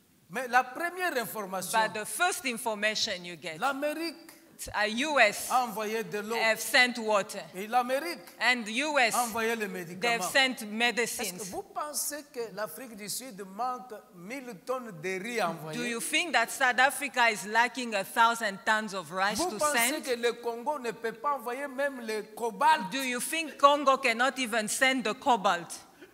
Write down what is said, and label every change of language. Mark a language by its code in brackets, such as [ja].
[fr] Mais la première information, [en] but the first information you get, [fr] l'Amérique, [en] a US, [fr] a envoyé de l'eau, [en] have sent water. [fr] Et l'Amérique, [en] and US, [fr] a envoyé les médicaments. [en] They've sent medicines. [fr] Est-ce que vous pensez que l'Afrique du Sud manque 1000 tonnes de riz envoyées? [en] Do you think that South Africa is lacking 1,000 tons of rice [fr] vous [en] to send? [fr] Vous pensez que le Congo ne peut pas envoyer même le cobalt? [en] Do you think Congo cannot even send the cobalt?